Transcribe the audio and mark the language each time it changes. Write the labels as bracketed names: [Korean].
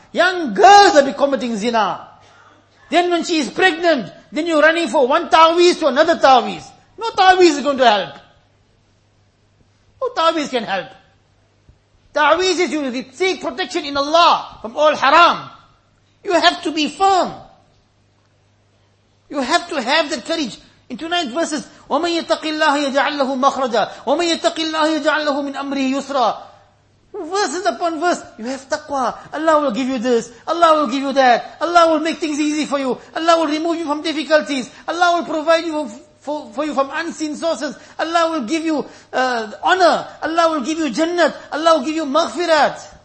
[English] Young girls are committing zina. Then when she is pregnant, then you're running for one ta'weez to another ta'weez. No ta'weez is going to help. No ta'weez can help. ta'weezes you, you seek protection in Allah from all haram. You have to be firm. You have to have the courage. In tonight's verses, [Arabic] وَمَنْ يَتَقِ اللَّهِ يَجَعَلْ لَهُ مَخْرَجًا وَمَنْ يَتَقِ اللَّهِ يَجَعَلْ لَهُ مِنْ أَمْرِهِ يُسْرًا. [English] Verses upon verse, you have taqwa. Allah will give you this. Allah will give you that. Allah will make things easy for you. Allah will remove you from difficulties. Allah will provide you for you from unseen sources. Allah will give you honor. Allah will give you jannat. Allah will give you maghfirat.